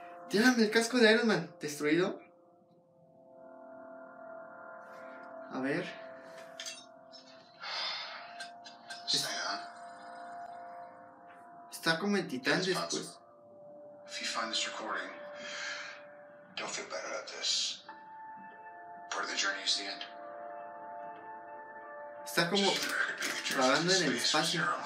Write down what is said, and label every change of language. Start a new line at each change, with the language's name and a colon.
Spanish: Llévame el casco de Iron Man destruido. A ver. Está como en titán después.
English: If you find this recording, don't feel bad about this. Part of the journey is the end.
Spanish: Está como rodando en el espacio.